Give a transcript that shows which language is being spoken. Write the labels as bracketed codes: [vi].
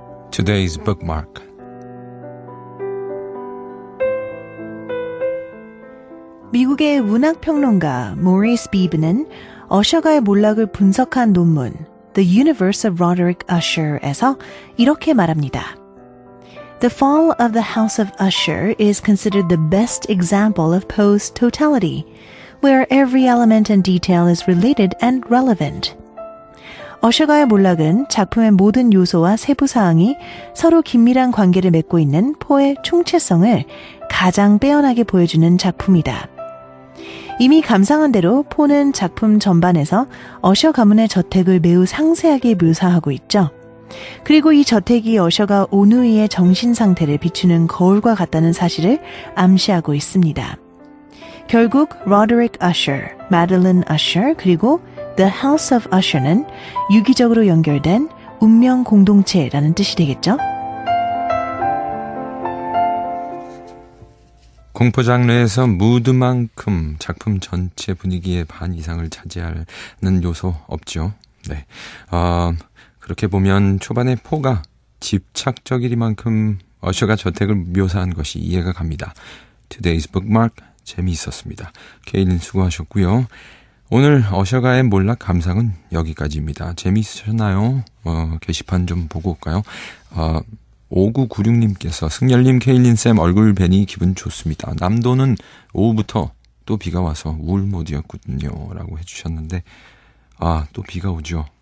[en] 투데이즈 북마크. [ko] 미국의 문학평론가 모리스 비브는 어셔가의 몰락을 분석한 논문 The Universe of Roderick Usher에서 이렇게 말합니다. [en] The fall of the House of Usher is considered the best example of Poe's totality, where every element and detail is related and relevant. [ko] 어셔가의 몰락은 작품의 모든 요소와 세부사항이 서로 긴밀한 관계를 맺고 있는 포의 총체성을 가장 빼어나게 보여주는 작품이다. 이미 감상한 대로 포는 작품 전반에서 어셔 가문의 저택을 매우 상세하게 묘사하고 있죠. 그리고 이 저택이 어셔가 온누이의 정신 상태를 비추는 거울과 같다는 사실을 암시하고 있습니다. 결국 Roderick Usher, Madeline Usher 그리고 The House of Usher는 유기적으로 연결된 운명 공동체라는 뜻이 되겠죠. 공포 장르에서 무드만큼 작품 전체 분위기의 반 이상을 차지하는 요소 없죠. 네. 그렇게 보면 초반에 포가 집착적이리만큼 어셔가 저택을 묘사한 것이 이해가 갑니다. Today's Bookmark 재미있었습니다. 케일린 수고하셨고요. 오늘 어셔가의 몰락 감상은 여기까지입니다. 재미있으셨나요? 게시판 좀 보고 올까요? 5996님께서 승열님 케일린쌤 얼굴 뵈니 기분 좋습니다. 남도는 오후부터 또 비가 와서 우울 모드였거든요 라고 해주셨는데 아 또 비가 오죠.